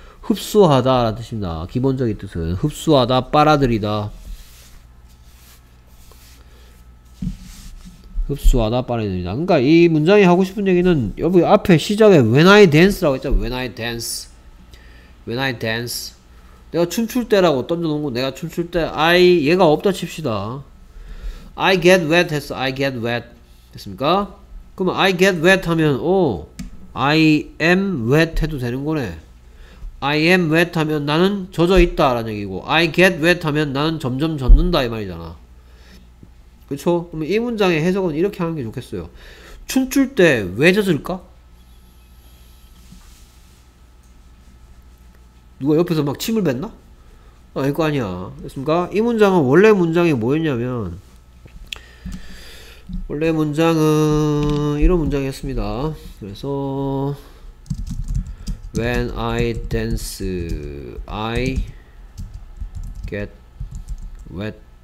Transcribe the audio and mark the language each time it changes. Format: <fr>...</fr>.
<ko>흡수하다 라는 뜻입니다. 기본적인 뜻은 흡수하다, 빨아들이다. 흡수하다, 빨아들이다. 그러니까 이 문장이 하고 싶은 얘기는 여기 앞에 시작에</ko> <en>When I dance</en> <ko>라고 했죠.</ko> <en>When I dance, When I dance,</en> <ko>내가 춤출 때라고 던져놓은 거. 내가 춤출 때 I 얘가 없다 칩시다.</ko> <en>I get wet</en> <ko>했어.</ko> <en>I get wet</en> <ko>됐습니까? 그럼</ko> <en>I get wet</en> <ko>하면</ko> <en>I am wet</en> <ko>해도 되는 거네.</ko> <en>I am wet</en> <ko>하면 나는 젖어 있다 라는 얘기고</ko> <en>I get wet</en> <ko>하면 나는 점점 젖는다 이 말이잖아. 그쵸? 그럼 이 문장의 해석은 이렇게 하는 게 좋겠어요. 춤출 때 왜 젖을까? 누가 옆에서 막 침을 뱉나? 아닐 거 아니야. 됐습니까? 이 문장은 원래 문장이 뭐였냐면 원래 문장은 이런 문장이었습니다. 그래서</ko> <en>When I dance, I get wet.</en>